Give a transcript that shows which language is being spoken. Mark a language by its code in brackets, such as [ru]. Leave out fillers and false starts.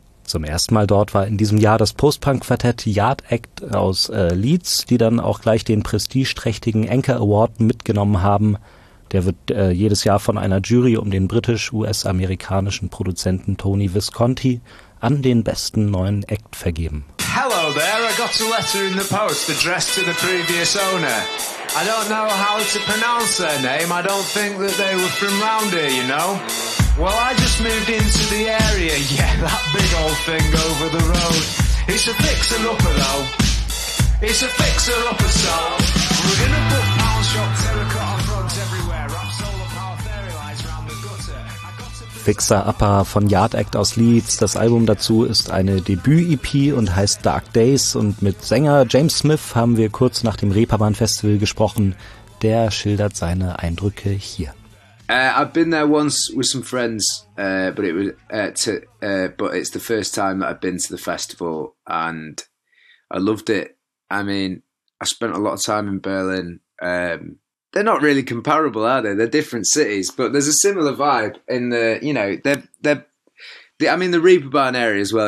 [de] Zum ersten Mal dort war in diesem Jahr das Post-Punk-Quartett Yard Act aus Leeds, die dann auch gleich den prestigeträchtigen Anchor Award mitgenommen haben. Der wird jedes Jahr von einer Jury um den britisch-US-amerikanischen Produzenten Tony Visconti an den besten neuen Act vergeben. [en] Hello there, I got a letter in the post addressed to the previous owner. I don't know how to pronounce their name. I don't think that they were from round here, you know. Well, I just moved into the area. Yeah, that big old thing over the road. It's a fixer-upper, though. It's a fixer-upper, so. We're gonna put pound shop terracotta fronts everywhere. Wrap solar power fairy lights around the gutter. [de] Fixer Upper von Yard Act aus Leeds. Das Album dazu ist eine Debüt-EP und heißt Dark Days. Und mit Sänger James Smith haben wir kurz nach dem Reeperbahn-Festival gesprochen. Der schildert seine Eindrücke hier. [en] I've been there once with some friends, but it's the first time that I've been to the festival and I loved it. I mean, I spent a lot of time in Berlin. They're not really comparable, are they? They're different cities, but there's a similar vibe in the, you know, the Reeperbahn area as well.